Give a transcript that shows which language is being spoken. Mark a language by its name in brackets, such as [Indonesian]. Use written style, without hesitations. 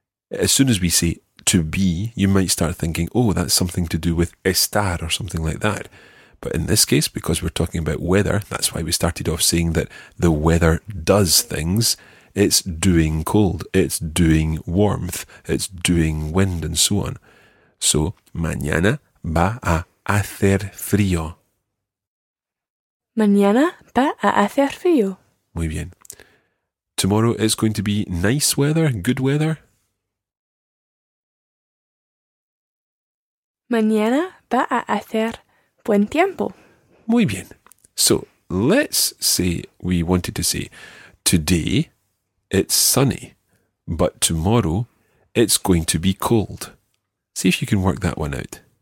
[English] As soon as we say to be, you might start thinking, oh, that's something to do with estar or something like that. But in this case, because we're talking about weather, that's why we started off saying that the weather does things. It's doing cold, it's doing warmth, it's doing wind, and so on. [Spanish] So, mañana va a hacer frío. Mañana va a hacer frío. Muy bien. [English] Tomorrow is going to be nice weather, good weather. [Spanish] Mañana va a hacer buen tiempo. Muy bien. [English] So, let's say we wanted to say, today it's sunny, but tomorrow it's going to be cold. See if you can work that one out.